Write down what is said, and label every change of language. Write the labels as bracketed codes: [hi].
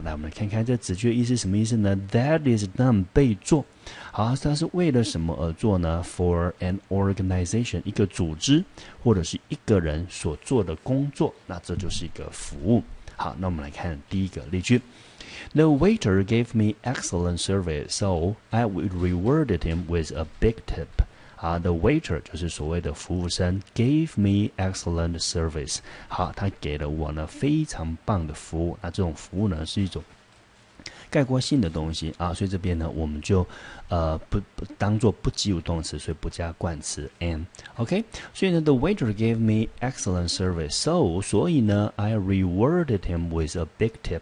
[zh] 来，我们看看这子句的意思什么意思呢？ [en] that is done， [zh] 被做。好，它是为了什么而做呢？ [en] for an organization， [zh] 一个组织或者是一个人所做的工作，那这就是一个服务。好，那我们来看第一个例句。 [en] The waiter gave me excellent service, so I rewarded him with a big tip. The waiter [zh] 就是所谓的服务生 [en] gave me excellent service. [zh] 好，他给了我呢非常棒的服务。那这种服务呢是一种概括性的东西啊，所以这边呢我们就不当做不及物动词，所以不加冠词 am。 [en] OK， 所以呢 the waiter gave me excellent service， so I rewarded him with a big tip。